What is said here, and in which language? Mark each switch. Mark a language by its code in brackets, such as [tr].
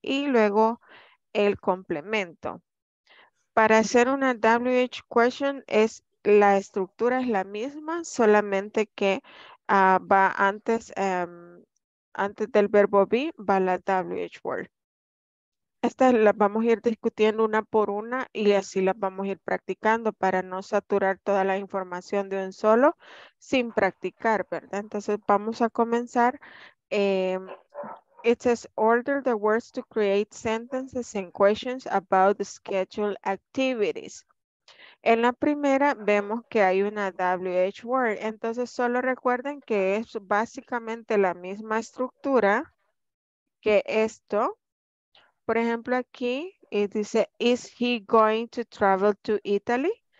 [es] Y luego el complemento. Para hacer una WH question, es la estructura es la misma, solamente que va antes, antes del verbo be, va la WH word. Estas las vamos a ir discutiendo una por una y así las vamos a ir practicando para no saturar toda la información de un solo sin practicar, ¿verdad? Entonces vamos a comenzar. [en] It says, order the words to create sentences and questions about the scheduled activities. [es] En la primera vemos que hay una WH word. Entonces, solo recuerden que es básicamente la misma estructura que esto. Por ejemplo, aquí dice, [en] is he going to travel to Italy?